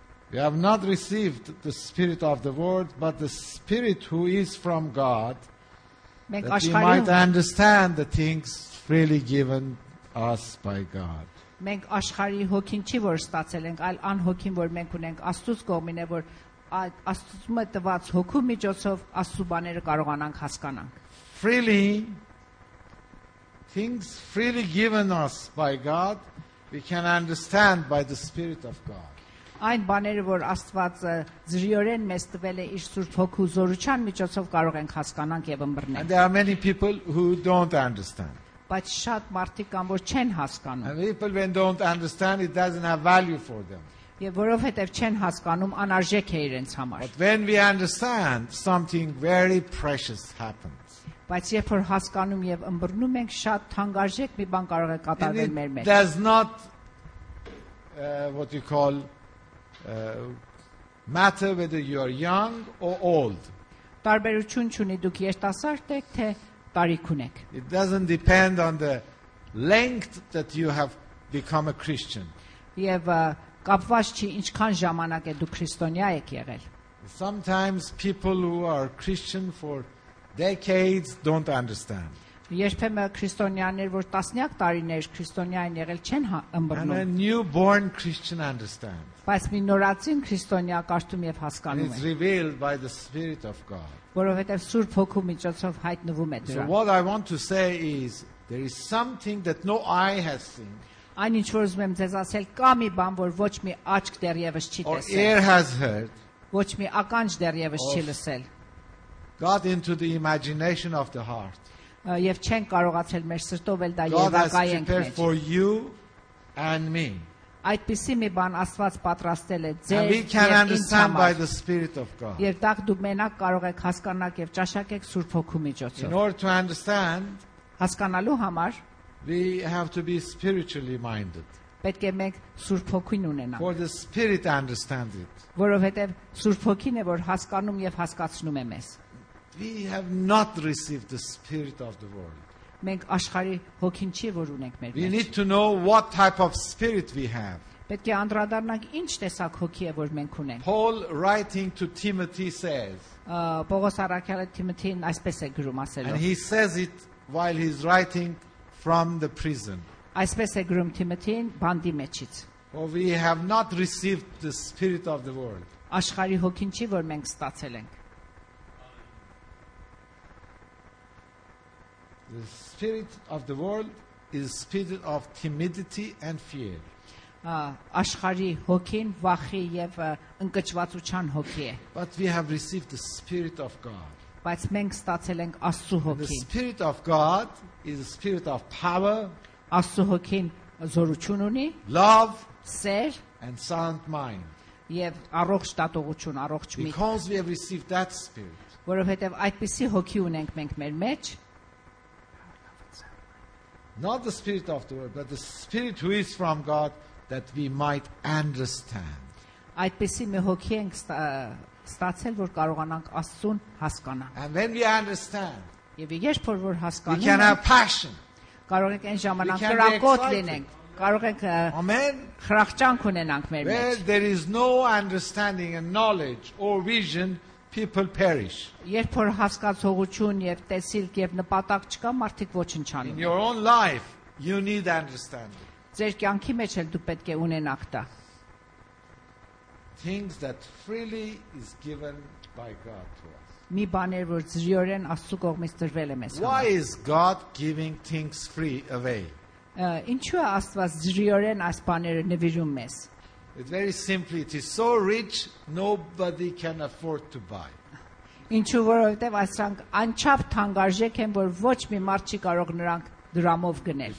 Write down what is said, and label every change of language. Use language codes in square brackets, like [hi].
[en] We have not received the Spirit of the world, but the Spirit who is from God, that we might understand the things freely given us by God. [hy] Մենք աշխարհի հոգին չի որ ստացել ենք, այլ ան հոգին, որ մենք ունենք Աստծո կողմին է, որ Աստծո մեծ տված հոգու միջոցով Աստծո բաները կարողանանք հասկանանք. [en] Freely, things freely given us by God, we can understand by the Spirit of God. [hy] այն բաները, որ Աստված զրիորեն մեզ տվել է իր Սուրբ Հոգու զորության միջոցով, կարող ենք հասկանանք եւ ըմբռնել. [en] There are many people who don't understand. [hy] Բայց շատ մարդիկ կան, որ չեն հասկանում. [en] And people when don't understand, it doesn't have value for them. [hy] Եվ որովհետեւ չեն հասկանում, անարժեք է իրենց համար. [en] But when we understand, something very precious happens. [hy] Բայց երբ որ հասկանում եւ ըմբռնում ենք, շատ թանկարժեք մի բան կարող է կատարվել մեր մեջ. [en] It does not what you call matter whether you are young or old. [hy] Տարբերություն չունի դուք երտասարդ եք թե տարիքուն եք. [en] It doesn't depend on the length that you have become a Christian. [hy] Եվ կապված չի ինչքան ժամանակ է դուք քրիստոնյա եք եղել. [en] Sometimes people who are Christian for decades don't understand. [hy] Երբեմն քրիստոնյաներ, որ տասնյակ տարիներ քրիստոնյա են եղել, չեն ըմբռնում։ [en] And a newborn Christian understands. [hy] Բայց մի նորածին քրիստոնյա կարդում եւ հասկանում է։ [en] It's revealed by the Spirit of God. [hy] Որովհետեւ Սուրբ Հոգու միջոցով հայտնվում է դրա։ [en] So what I want to say is there is something that no eye has seen. [hy] Այնինչ որ ուզում եմ ձեզ ասել, կա մի բան, որ ոչ մի աչք դեռևս չի տեսել։ [en] Ear has heard. [hy] Ոչ մի ականջ դեռևս չի լսել։ [en] God into the imagination of the heart. [hy] Եվ չեն կարողացել մեր սրտով էլ դա երևակայենք։ [en] God has prepared for you and me. [hy] Այդպիսի մի բան Աստված պատրաստել է ձեզ համար։ [en] We can understand by the Spirit of God. [hy] Եվ դա դու մենակ կարող ես հասկանալ եւ ճաշակել Սուրբ Հոգու միջոցով։ [en] In order to understand, [hy] հասկանալու համար, [en] we have to be spiritually minded. [hy] Պետք է մենք Սուրբ Հոգին ունենանք։ [en] For the Spirit understands it. [hy] Որովհետեւ Սուրբ Հոգին է, որ հասկանում եւ հասկացնում է մեզ։ [en] We have not received the spirit of the world. [hy] Մենք աշխարհի հոգին չի որ ունենք մեր մեջ։ [en] We need to know what type of spirit we have. [hy] Պետք է անդրադառնանք ինչ տեսակ հոգի է որ մենք ունենք։ [en] Paul writing to Timothy says. [hy] Պողոս առաքյալը Թիմոթին այսպես է գրում ասելով։ [en] And he says it while he's writing from the prison. [hy] Այսպես է գրում Թիմոթին բանդի մեջից։ [en] For we have not received the spirit of the world. [hy] Աշխարհի հոգին չի որ մենք ստացել ենք։ [en] The spirit of the world is spirit of timidity and fear. [hy] Աշխարհի հոգին վախի եւ ընկճվածության հոգի է. [en] But we have received the spirit of God. [hy] Բայց մենք ստացել ենք Աստծո հոգին. [en] The spirit of God is a spirit of power. [hy] Աստծո հոգին զորություն ունի. [en] Love, [hy] սեր [en] and sound mind. [hy] Եվ առողջ տատողություն, առողջ միտք. [en] Because we have received that spirit. [hy] Որովհետեւ այդպիսի հոգի ունենք մենք մեր մեջ. [en] Not the spirit of the world, but the spirit who is from God, that we might understand. [hy] Այդպեսի մի հոգի ենք ստացել, որ կարողանանք Աստծուն հասկանալ. [en] And when we understand, [hy] եւ երբ որ հասկանում ենք, [en] we can have passion. [hy] Կարող ենք այն ժամանակ հրակոտ լինենք, կարող ենք խրախճանք ունենանք մեր մեջ. [en] Where there is no understanding and knowledge or vision, people perish. [hy] Երբ որ հասկացողություն եւ տեսիլք եւ նպատակ չկա, մարդիկ ոչնչանում են։ [en] In your own life, you need understanding. [hy] Ձեր կյանքի մեջ էլ դու պետք է ունենաք դա։ [en] Things that freely is given by God to us. [hy] Մի բաներ, որ զրիորեն Աստծո կողմից տրվել է մեզ։ [en] Why is God giving things free away? [hy] Ինչու է Աստված զրիորեն այս բաները նվիրում մեզ։ [en] It's very simply, it is so rich, nobody can afford to buy. [hy] Ինչու որովհետև այսրանք անչափ թանկարժեք են, որ ոչ մի մարդ չի կարող նրանք դրամով գնել։